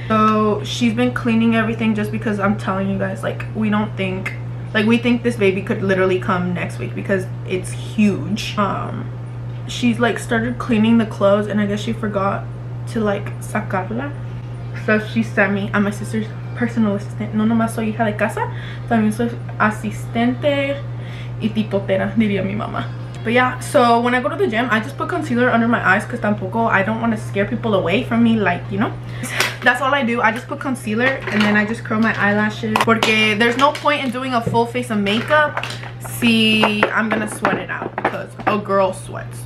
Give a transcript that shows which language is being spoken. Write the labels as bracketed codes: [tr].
[en] So she's been cleaning everything just because I'm telling you guys, like we don't think, like we think this baby could literally come next week because it's huge. She's like started cleaning the clothes and I guess she forgot to like sacarla. So she sent me, I'm my sister's personal assistant. [es] No nomás soy hija de casa, también soy asistente y tipotera, diría mi mamá. [en] But yeah, so when I go to the gym, I just put concealer under my eyes because tampoco, I don't want to scare people away from me, like, you know? That's all I do. I just put concealer and then I just curl my eyelashes. Porque there's no point in doing a full face of makeup. See, I'm going to sweat it out because a girl sweats.